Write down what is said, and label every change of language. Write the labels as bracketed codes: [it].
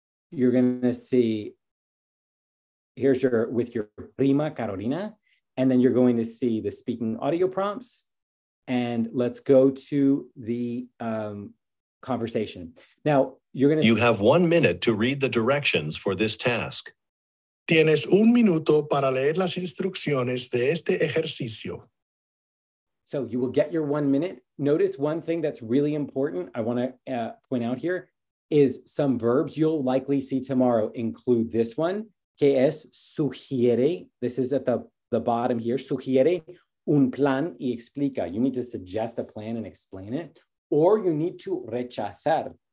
[en] You're gonna see, here's your, with your prima Carolina, and then you're going to see the speaking audio prompts, and let's go to the conversation. Now, you're gonna- You have 1 minute to read the directions for this task. [es] Tienes un minuto para leer las instrucciones de este ejercicio. [en] So you will get your 1 minute. Notice one thing that's really important I wanna point out here, is some verbs you'll likely see tomorrow include this one, [es] que es sugiere. [en] This is at the bottom here, [es] sugiere un plan y explica. [en] You need to suggest a plan and explain it, or you need to rechazar.